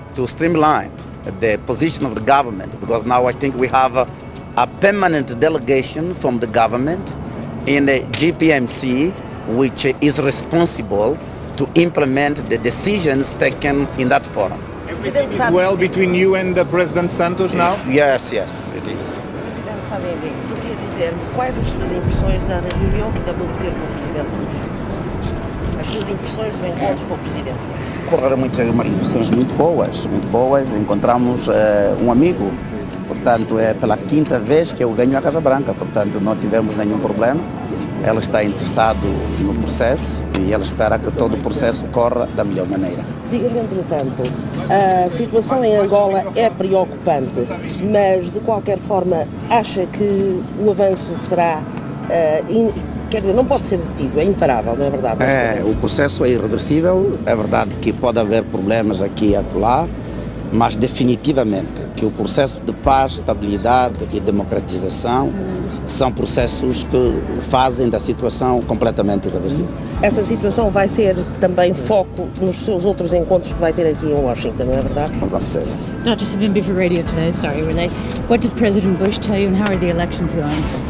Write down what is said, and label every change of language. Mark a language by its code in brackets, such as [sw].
[en] to streamline the position of the government, because now I think we have a permanent delegation from the government in the GPMC, which is responsible to implement the decisions taken in that forum. Everything is well between you and the President Santos now? Yes, yes, it is. [pt] President Savimbi, queria dizer quais as suas impressões da reunião que acabou de ter com o Presidente Lula? As suas impressões do encontro com o Presidente Lula? Correram muitas impressões muito boas, encontramos um amigo. Portanto, é pela quinta vez que eu ganho a Casa Branca, portanto, não tivemos nenhum problema. Ela está interessada no processo e ela espera que todo o processo corra da melhor maneira. Diga-lhe, entretanto, a situação em Angola é preocupante, mas, de qualquer forma, acha que o avanço será... quer dizer, não pode ser detido, é imparável, não é verdade? É, o processo é irreversível, é verdade que pode haver problemas aqui e acolá, mas definitivamente que o processo de paz, estabilidade e democratização são processos que fazem da situação completamente irreversível. Essa situação vai ser também foco nos seus outros encontros que vai ter aqui em Washington, não é verdade? Com vocês. [en] Dr. Savimbi for radio today, sorry, we're late. What did President Bush tell you and how are the elections going?